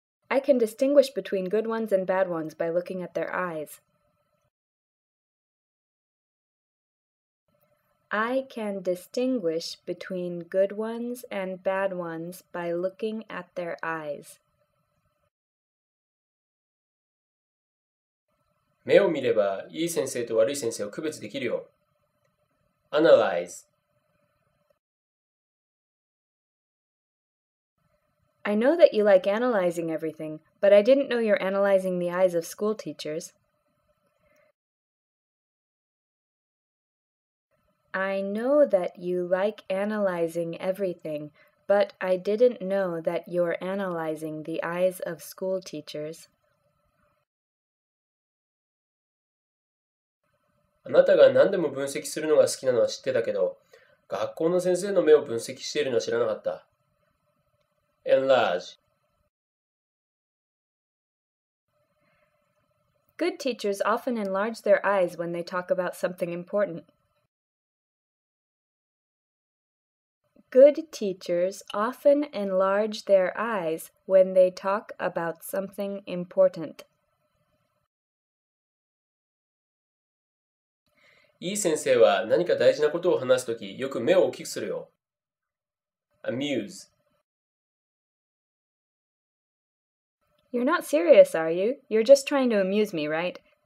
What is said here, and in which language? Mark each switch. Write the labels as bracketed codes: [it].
[en] I can distinguish between good ones and bad ones by looking at their eyes. I can distinguish between good ones and bad ones by looking at their eyes. [ja] 目を見ればいい先生と悪い先生を区別できるよ。 [en] Analyze. I know that you like analyzing everything, but I didn't know you're analyzing the eyes of school teachers. I know that you like analyzing everything, but I didn't know that you're analyzing the eyes of school teachers. [ja] あなたが何でも分析するのが好きなのは知ってたけど、学校の先生の目を分析しているのは知らなかった。 [en] Enlarge. Good teachers often enlarge their eyes when they talk about something important. Good teachers often enlarge their eyes when they talk about something important. [ja] いい先生は何か大事なことを話すとき、よく目を大きくするよ。 [en] Amuse. You're not serious, are you? You're just trying to amuse me, right?